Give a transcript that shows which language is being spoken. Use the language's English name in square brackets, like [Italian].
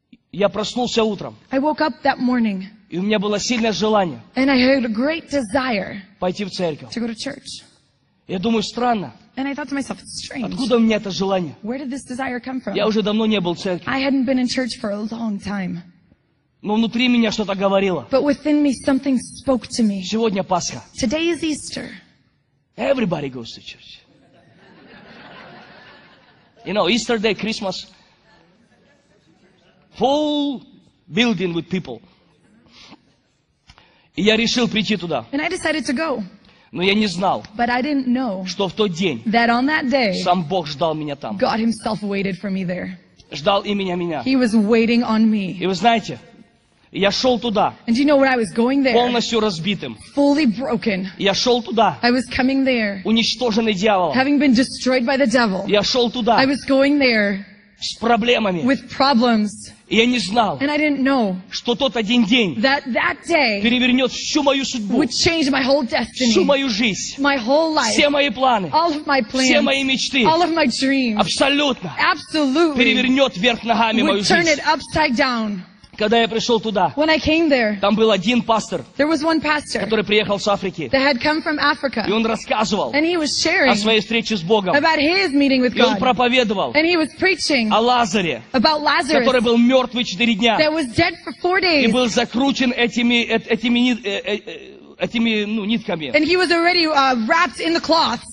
[Russian] я проснулся утром, [English] I woke up that morning, [Russian] И у меня было сильное желание. [English] And I had a great desire. [Russian] Пойти в церковь. [English] To go to church. [Russian] Я думаю, странно. [English] And I thought to myself, it's strange. [Russian] Откуда у меня это желание? [English] Where did this desire come from? [Russian] Я уже давно не был в церкви. [English] I hadn't been in church for a long time. [Russian] Но внутри меня что-то говорило. [English] But within me something spoke to me. [Russian] Сегодня Пасха. [English] Today is Easter. Everybody goes to church. You know, Easter day, Christmas, full building with people. [Russian] И я решил прийти туда. [English] And I decided to go. [Russian] Но я не знал, [English] but I didn't know, [Russian] что в тот день [English] that on that day, [Russian] сам Бог ждал меня там. [English] God himself waited for me there. [Russian] Ждал именно меня. [English] He was waiting on me. [Russian] И вы знаете, я шел туда. [English] And you know when I was going there? [Russian] Полностью разбитым. [English] Fully broken. [Russian] Я шел туда. [English] I was coming there. [Russian] Уничтоженный дьяволом. [English] Having been destroyed by the devil. [Russian] Я шел туда. [English] I was going there. [Russian] С проблемами. [English] With problems. [Russian] И я не знал, [English] and I didn't know, [Russian] что тот один день [English] that day [Russian] перевернет всю мою судьбу, [English] would change my whole destiny, [Russian] всю мою жизнь, [English] my whole life, [Russian] все мои планы, [English] all of my plans, [Russian] все мои мечты, [English] all of my dreams, [Russian] абсолютно, [English] absolutely, [Russian] перевернет вверх ногами [English] would [Russian] мою жизнь. [English] Turn it upside down. [Russian] Когда я пришел туда, [English] when I came there, [Russian] там был один пастор, [English] there was one pastor, [Russian] который приехал с Африки, [English] that had come from Africa, [Russian] и он рассказывал, [English] and he was sharing, [Russian] о своей встрече с Богом, [English] about his meeting with [Russian] и [English] God, [Russian] он проповедовал, [English] and he was preaching, [Russian] о Лазаре, [English] about Lazarus, [Russian] который был мертвый 4 дня, [English] that was dead for 4 days, [Russian] и был закручен этими ну, нитками. [English] And he was already wrapped in the cloths.